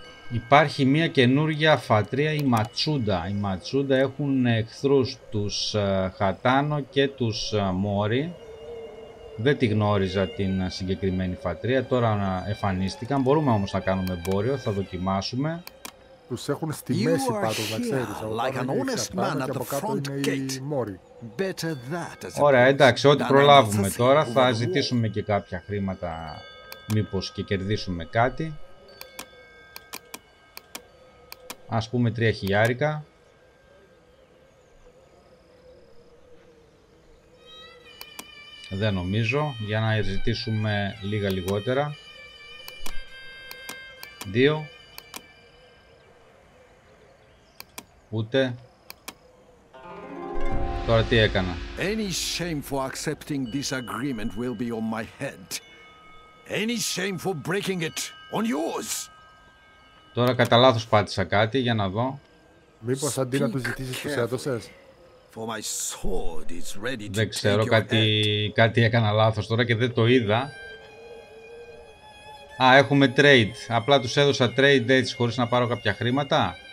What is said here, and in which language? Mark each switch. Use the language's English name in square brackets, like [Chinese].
[Greek] Υπάρχει μια καινούργια φατρία, η Ματσούντα. Οι Ματσούντα έχουν εχθρούς τους Χατάνο και τους Μόρι. Δεν τη γνώριζα την συγκεκριμένη φατρία, τώρα εμφανίστηκαν. Μπορούμε όμως να κάνουμε εμπόριο, θα δοκιμάσουμε. Τους έχουν στη μέση πάντως, να ξέρεις. [English] Like an honest man at the front gate. Better that. [Greek] Ωραία, εντάξει, ό,τι προλάβουμε τώρα. Θα ζητήσουμε και κάποια χρήματα, μήπως και κερδίσουμε κάτι. Ας πούμε 3 χιλιάρικα. Δεν νομίζω, για να ζητήσουμε λίγα λιγότερα. 2. Ούτε. Τώρα τι έκανα. [English] Any shame for accepting this agreement will be on my head. Any shame for breaking it on yours. [Greek] Τώρα κατά λάθος πάτησα κάτι, για να δω. Μήπως αντί να του ζητήσεις τους έδωσες. [English] For my sword is ready to. [Greek] Δεν ξέρω, κάτι έκανα λάθος τώρα και δεν το είδα. Α, έχουμε trade. Απλά τους έδωσα trade dates χωρίς να πάρω κάποια χρήματα.